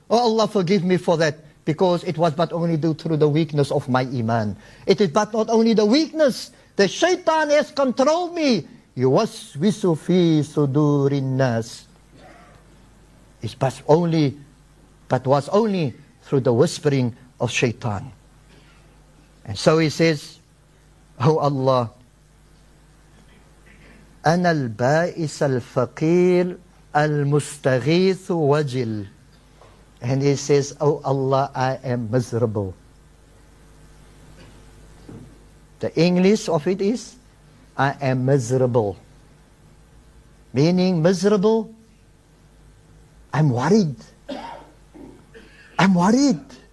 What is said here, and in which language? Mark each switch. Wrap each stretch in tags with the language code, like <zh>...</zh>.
<en>O Allah, forgive me for that. Because it was but only due through the weakness of my iman. It is but not only the weakness. The shaitan has controlled me.</en> <ar>Yuwaswisu fi sudurin nas.</ar> <en>It's but only, but was only through the whispering of shaitan. And so he says, oh Allah,</en> <ar>أنا البائس الفقير المستغيث وجل.</ar> <en>And he says, oh Allah, I am miserable. The English of it is, I am miserable. Meaning miserable, I'm worried. I'm worried.</en>